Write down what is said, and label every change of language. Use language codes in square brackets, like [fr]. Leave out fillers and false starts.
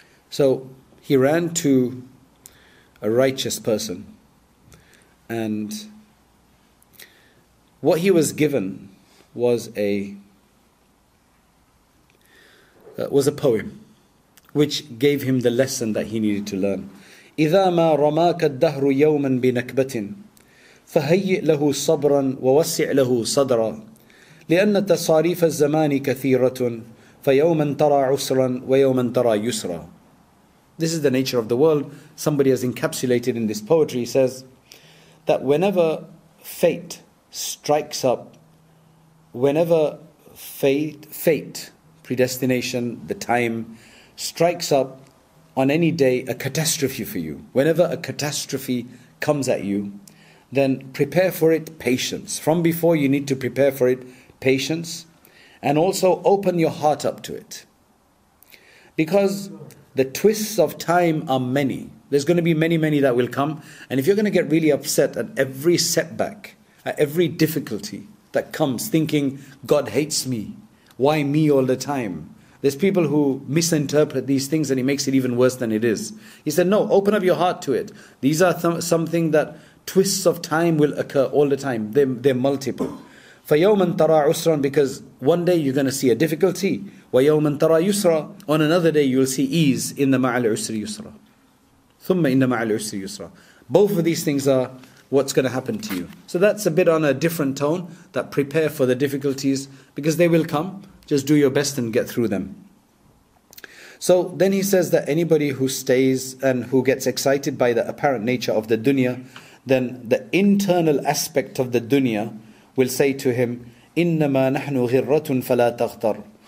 [en] So he ran to a righteous person. And what he was given was a poem, which gave him the lesson that he needed to learn. [ar] إِذَا مَا رَمَاكَ الدَّهْرُ يَوْمًا بِنَكْبَةٍ فَهَيِّئْ لَهُ صَبْرًا وَوَسِّعْ لَهُ صَدْرًا لأن تصاريف الزمان كثيرة فيوما ترى عسرا ويوما ترى يسرا. [en] This is the nature of the world. Somebody has encapsulated in this poetry. He says that whenever fate strikes up, whenever fate, predestination, the time, strikes up on any day a catastrophe for you, whenever a catastrophe comes at you, then prepare for it patience. From before, you need to prepare for it patience, and also open your heart up to it. Because the twists of time are many. There's going to be many, many that will come. And if you're going to get really upset at every setback, at every difficulty that comes, thinking, God hates me, why me all the time? There's people who misinterpret these things and it makes it even worse than it is. He said, no, open up your heart to it. These are something that twists of time will occur all the time. They're multiple. [ar] فَيَوْمًا تَرَى عُسْرًا, [en] because one day you're going to see a difficulty. [ar] وَيَوْمًا تَرَى يُسْرًا, [en] on another day you'll see ease. In the [ar] مَعَ الْعُسْرِ يُسْرًا ثُمَّ إِنَّ مَعَ الْعُسْرِ يُسْرًا. [en] Both of these things are what's going to happen to you. So that's a bit on a different tone, that prepare for the difficulties, because they will come. Just do your best and get through them. So then he says that anybody who stays and who gets excited by the apparent nature of the dunya, then the internal aspect of the dunya will say to him, [ar] إِنَّمَا نَحْنُ غِرَّةٌ فَلَا تَغْتَرْ.